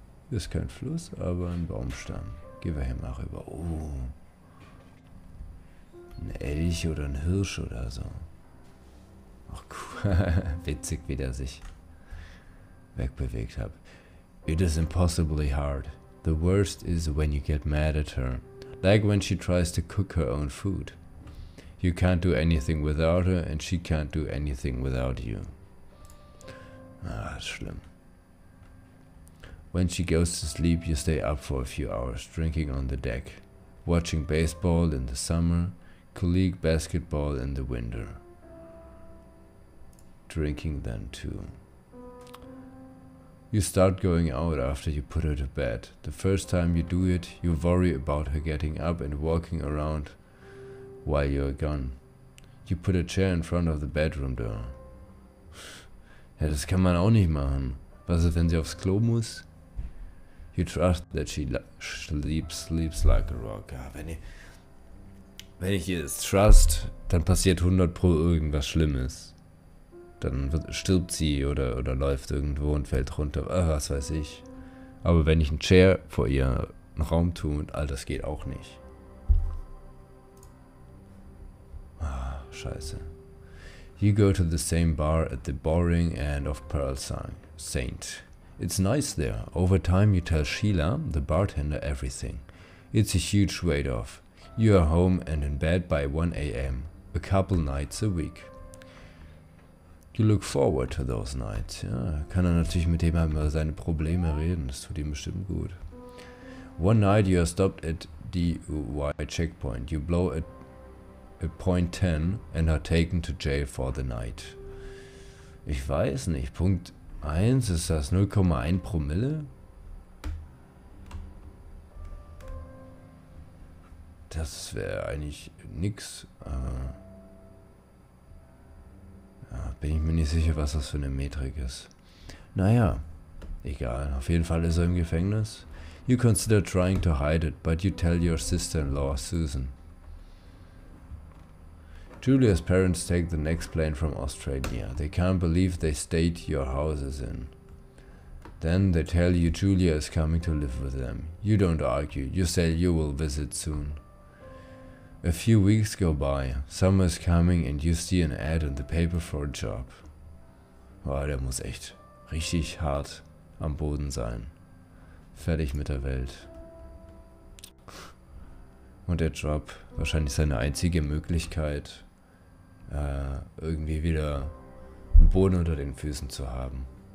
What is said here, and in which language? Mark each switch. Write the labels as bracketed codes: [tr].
[de] Ist kein Fluss, aber ein Baumstamm. Gehen wir hier mal rüber. Oh. Ein Elch oder ein Hirsch oder so. Ach cool, witzig, wie der sich wegbewegt hat. [en] It is impossibly hard. The worst is when you get mad at her. Like when she tries to cook her own food. You can't do anything without her and she can't do anything without you. [de] Ah, ist schlimm. [en] When she goes to sleep, you stay up for a few hours, drinking on the deck. Watching baseball in the summer, colleague basketball in the winter. Drinking then too. You start going out after you put her to bed. The first time you do it, you worry about her getting up and walking around while you're gone. You put a chair in front of the bedroom door. [de] Ja, das kann man auch nicht machen. Was ist, wenn sie aufs Klo muss? [en] You trust that she sleeps like a rock. [de] Ja, wenn ich ihr das trust, dann passiert 100% irgendwas Schlimmes. Dann stirbt sie oder läuft irgendwo und fällt runter, was weiß ich. Aber wenn ich einen Chair vor ihr einen Raum tue und all das geht auch nicht. Ah, scheiße. [en] You go to the same bar at the boring end of Pearl Song, Saint. It's nice there. Over time you tell Sheila, the bartender, everything. It's a huge weight off. You are home and in bed by 1 a.m. a couple nights a week. You look forward to those nights. [de] Ja, kann er natürlich mit dem über seine Probleme reden. Das tut ihm bestimmt gut. [en] One night you are stopped at the DUI checkpoint. You blow a .10 and are taken to jail for the night. [de] Ich weiß nicht. Punkt 1 ist das 0,1 Promille? Das wäre eigentlich nix. Bin ich mir nicht sicher, was das für eine Metrik ist. Naja, Egal, auf jeden Fall ist er im Gefängnis. [en] You consider trying to hide it, but you tell your sister-in-law, Susan. Julia's parents take the next plane from Australia. They can't believe they stayed your house is in. Then they tell you Julia is coming to live with them. You don't argue. You say you will visit soon. A few weeks go by. Summer is coming and you see an ad in the paper for a job. [de] Boah, der muss echt richtig hart am Boden sein. Fertig mit der Welt. Und der Job, wahrscheinlich seine einzige Möglichkeit, irgendwie wieder einen Boden unter den Füßen zu haben.